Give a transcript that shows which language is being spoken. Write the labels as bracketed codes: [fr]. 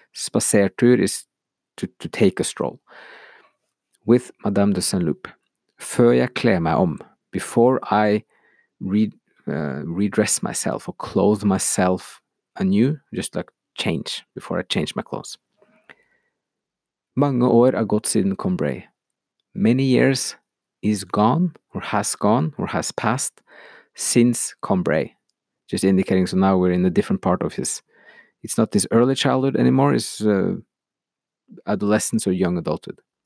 [en] Spasertur is to take a stroll. With Madame de Saint-Loup. [no] Før jeg kler meg om. [en] Before I redress myself or clothe myself anew, just like change, before I change my clothes. [no] Mange år gått siden Combray. [en] Many years is gone or has passed since Combray. Just indicating, so now we're in a different part of it's not this early childhood anymore, it's adolescence or young adulthood.